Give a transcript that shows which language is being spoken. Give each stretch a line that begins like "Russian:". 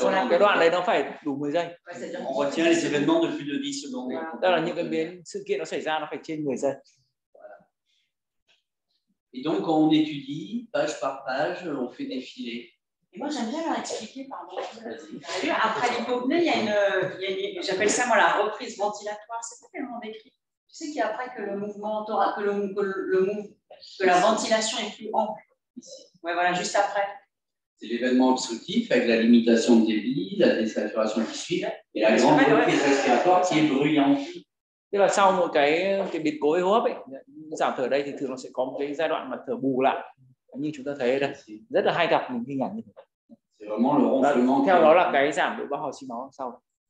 Vietnamese: Cái đoạn này nó phải đủ 10 giây.
French: On retient les événements de plus de 10 secondes.
Vietnamese: Đó là những cái biến sự kiện nó xảy ra nó phải trên 10 giây.
French: Et donc on étudie page par page, on fait des filets. Et moi j'aime bien leur expliquer, pardon. Après l'hypopnée, il y a une, j'appelle ça moi la reprise ventilatoire, c'est pas tellement décrit. Tu sais qu'après que le mouvement thoracique, que la ventilation est plus ample. Ouais, voilà, juste après. C'est l'événement obstructif avec la limitation de débit, la désaturation qui suit et la grande reprise respiratoire qui est bruyante.
Vietnamese: Tức là sau một cái biến cố hô hấp ấy, giảm thở đây thì thường nó sẽ có một cái giai đoạn mà thở bù lại. Như chúng ta thấy đây, rất là hay gặp mình hình ảnh như thế.
French: C'est vraiment le ronflement.
Vietnamese: Theo đó là cái giảm độ bão hòa xi máu sau.